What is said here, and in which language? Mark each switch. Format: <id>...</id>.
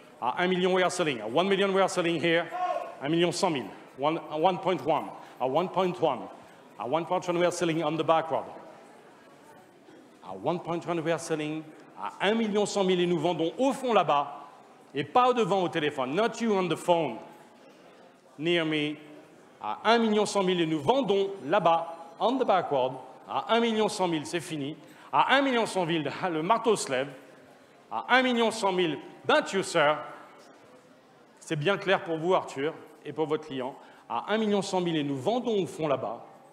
<en>A 1 million, we are selling. A 1 million, we are selling here. 1 million 100 000. 1.1. A 1.1. A 1.1, we are selling on the backward.</en> <fr>À 1.1,</fr> <en>we are selling,</en> <fr>à 1 100 000 et nous vendons au fond là-bas et pas au devant au téléphone.</fr> <en>Not you on the phone, near me.</en> <fr>À 1 100 000 et nous vendons là-bas,</fr> <en>on the backward,</en> <fr>à 1 100 000, c'est fini. À 1 100 000, le marteau se lève. À 1 100 000,</fr> <en>but you, sir.</en> <fr>C'est bien clair pour vous, Arthur, et pour votre client. À 1 100 000 et nous vendons au fond là-bas.</fr>